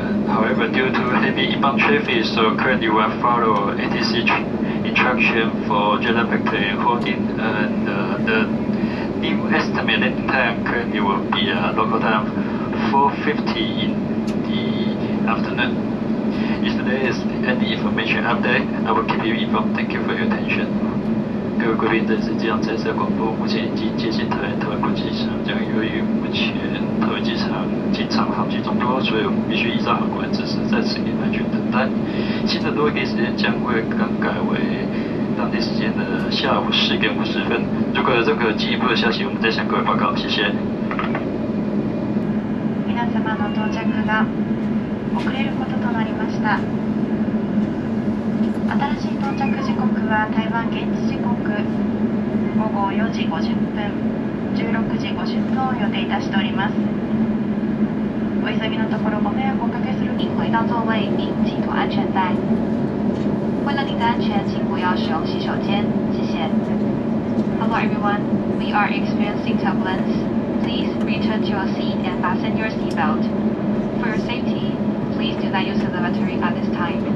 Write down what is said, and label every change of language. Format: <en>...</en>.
<en>However, due to heavy inbound traffic, so currently you will follow ATC instruction for general factory holding. And the new estimated time currently will be local time 4:50 in the afternoon. If there is any information update, I will keep you informed. Thank you for your attention.</en> <zh>各位贵宾，这是机场再次广播，目前已经接近台湾国际机场，将由于目前台湾机场经常航机众多，所以我们必须依照航管指示在此地安全等待。现在落地时间将会更改为当地时间的下午10:50。如果有任何进一步的消息，我们再向各位报告。谢谢。</zh> <ja>皆様の到着が遅れることとなりました。新しい到着時刻は台湾現地時刻4:50、16:50を予定いたしております。お急ぎのところご迷惑をおかけする。</ja> <zh>请回到座位并系妥安全带。为了您的安全，请不要使用洗手间，谢谢。</zh> <en>Hello everyone, we are experiencing turbulence. Please return to your seat and fasten your seatbelt. For your safety, please do not use the lavatory at this time.</en>